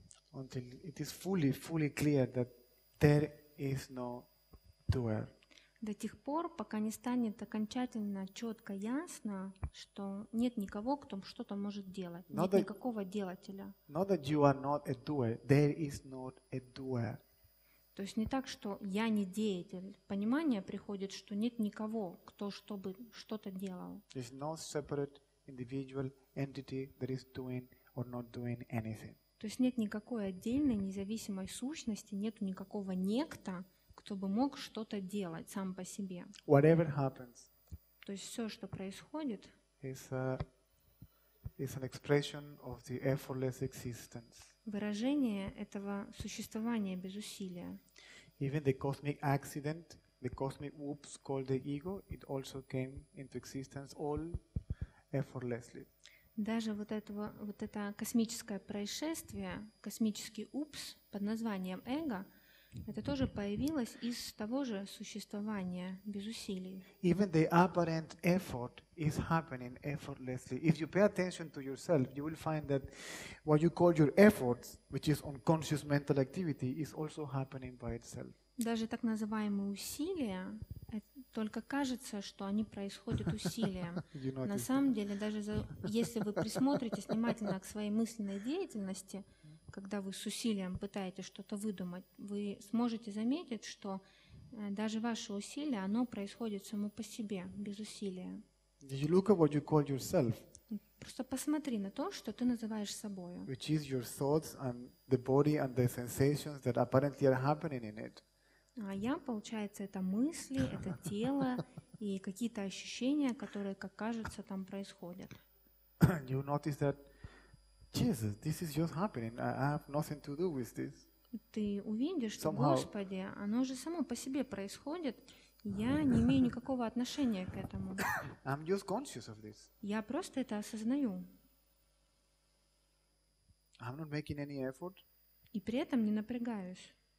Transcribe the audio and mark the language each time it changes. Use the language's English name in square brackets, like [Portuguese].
[English] Until it is fully, fully clear that there is no doer. [Russian] До тех пор, пока не станет окончательно четко ясно, что нет никого, кто что-то может делать, нет никакого делателя. [English] Not that you are not a doer. There is not a doer. [Russian] То есть не так, что я не деятель. Понимание приходит, что нет никого, кто чтобы что-то делал. [English] There is no separate individual entity that is doing or not doing anything. [Russian] То есть нет никакой отдельной независимой сущности, нет никакого некто, кто бы мог что-то делать сам по себе. [English] Whatever happens, [Russian] то есть все, что происходит, [English] is an expression of the effortless existence. [Russian] Выражение этого существования без усилия. [English] Even the cosmic accident, the cosmic whoops called the ego, it also came into existence all effortlessly. [Russian] Даже вот это космическое происшествие, космический упс под названием эго, это тоже появилось из того же существования без усилий. [English] Even the apparent effort is happening effortlessly. If you pay attention to yourself, you will find that what you call your efforts, which is unconscious mental activity, is also happening by itself. [Russian] Даже так называемые усилия, только кажется, что они происходят усилием. На самом деле, даже если вы присмотритесь внимательно к своей мысленной деятельности, когда вы с усилием пытаетесь что-то выдумать, вы сможете заметить, что даже ваше усилие, оно происходит само по себе, без усилия. [English] You look at what you call yourself. [Russian] Просто посмотри на то, что ты называешь собою. [English] Which is your thoughts and the body and the sensations that apparently are happening in it. [Russian] А я, получается, это мысли, это тело и какие-то ощущения, которые, как кажется, там происходят. [English] You notice that Jesus, this is just happening. I have nothing to do with this. [Russian] Ты увидишь, что, Господи, оно же само по себе происходит. Я не имею никакого отношения к этому. [English] I'm just conscious of this. [Russian] Я просто это осознаю. [English] I'm not making any effort. [Russian] И при этом не напрягаюсь.